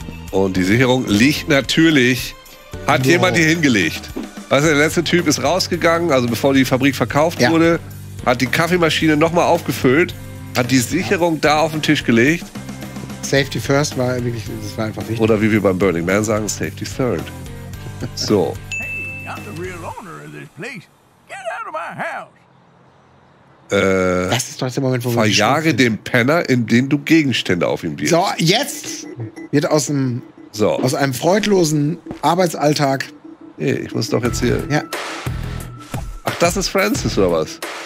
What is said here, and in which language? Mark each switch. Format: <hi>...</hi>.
<de>Und die Sicherung liegt natürlich. Hat jemand hier hingelegt? Weißt du, der letzte Typ ist rausgegangen, also bevor die Fabrik verkauft wurde, hat die Kaffeemaschine nochmal aufgefüllt, hat die Sicherung da auf den Tisch gelegt.</de> <en>Safety first</en> <de>war wirklich, das war einfach wichtig. Oder wie wir beim Burning Man sagen,</de> <en>safety third.</en> <de>So.</de> <en>Hey, I'm the real owner of this place. Get out of my house.</en> <de>Das ist doch der Moment, wo verjage den Penner, indem du Gegenstände auf ihm wirfst. So, jetzt wird aus einem freudlosen Arbeitsalltag. Hey, ich muss doch jetzt hier. Ja. Ach, das ist Francis oder was?</de>